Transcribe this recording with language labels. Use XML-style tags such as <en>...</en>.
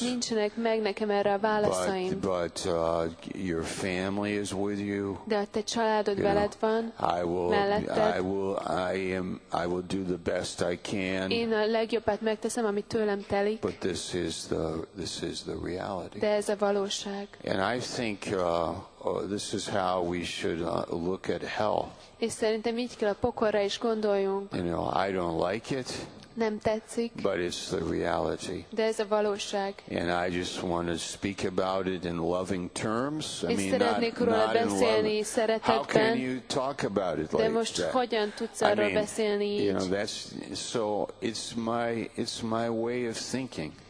<hu>Nincsenek meg nekem erre a válaszaim.</hu> <en>But your family is with you.</en> <hu>De a te családod veled van.</hu> <en>I will do the best I can.</en> <hu>Én a legjobbat megteszem, amit tőlem telik.</hu> <en>But this is the reality.</en> <hu>De ez a valóság.</hu> <en>And I think this is how we should look at hell.</en> <hu>És szerintem így kell a pokorra is gondoljunk.</hu> <en>You know, I don't like it.</en> <hu>Nem tetszik.</hu> <en>But it's the reality.</en> <hu>De ez a valóság.</hu> <en>And I just want to speak about it in loving terms. I</en> <hu>mean, szeretnék róla beszélni szeretetben.</hu> <en>How can you talk about it like</en> <hu>most</hu> <en>that?</en> <hu>Hogyan tudsz arról</hu> <en>I mean,</en> <hu>beszélni így?</hu> <en>You know, that's, so it's my way of thinking.</en>